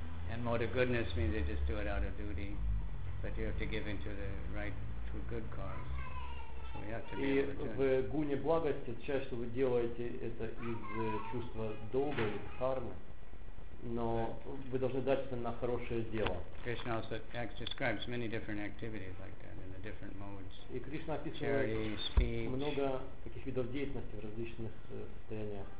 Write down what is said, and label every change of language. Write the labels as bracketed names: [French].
[English] And mode of goodness means they just do it out of duty, but you have to give into the right to good cause. So we have to be. [Russian] И в гуне благости часть, что вы делаете это из чувства долга или кармы, но вы должны дать это на хорошее дело. [English] Krishna also describes many different activities like that in the different modes. [Russian] И Кришна описывает много таких видов деятельности в различных состояниях.